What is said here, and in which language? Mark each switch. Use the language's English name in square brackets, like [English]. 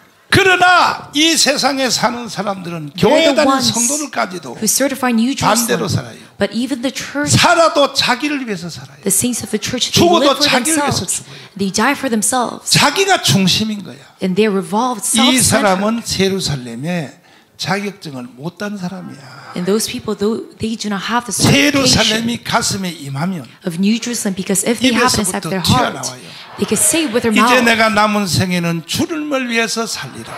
[Korean] 그러나 이 세상에 사는 사람들은 교회 다니는 성도들까지도 반대로 살아요. [English] But even the church, [Korean] 살아도 자기를 위해서 살아요. [English] The saints of the church, [Korean] 죽어도 [English] they live for [Korean] 위해서 죽어요. [English] They die for themselves. [Korean] 자기가 중심인 거야. [English] And they revolve self-centered. [Korean] 이 사람은 예루살렘에 자격증을 못 딴 사람이야. [English] And those people, though they do not have the certification [Korean] 가슴에 임하면 [English] of New Jerusalem, because if they have inside their heart, [Korean] 튀어나와요. [English] They can say with their mouth. [Korean] 이제 내가 남은 생애는 주님을 위해서 살리라.